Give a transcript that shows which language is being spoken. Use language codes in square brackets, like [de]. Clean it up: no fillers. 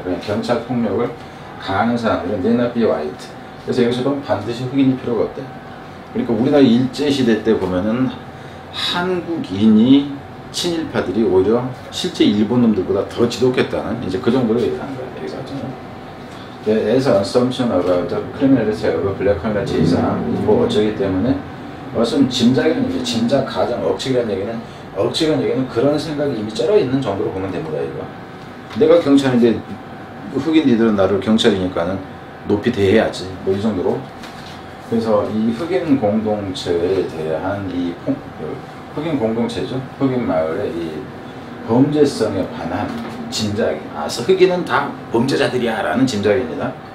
[ko] 그냥 경찰 폭력을 가하는 사람들은 [en] they not be white. [ko] 그래서 여기서도 반드시 흑인이 필요가 없대. 그러니까 우리나라 일제시대 때 보면은 한국인이 친일파들이 오히려 실제 일본 놈들보다 더 지독했다는 이제 그 정도로 얘기하는 거예요. 여기서 하자면. [en] There's an assumption about the criminality of black communities. [ko] 뭐 어쩌기 때문에. 무슨 짐작이라는 얘기죠. 짐작, 가정, 억측이라는 얘기는 억측한 얘기는 그런 생각이 이미 쩔어 있는 정도로 보면 됩니다. 이거 내가 경찰인데 흑인 니들은 나를 경찰이니까는 높이 대해야지 뭐 이 정도로. 그래서 이 흑인 공동체에 대한 이 흑인 공동체죠, 흑인 마을의 이 범죄성에 관한 짐작이, 아 흑인은 다 범죄자들이야 라는 짐작입니다.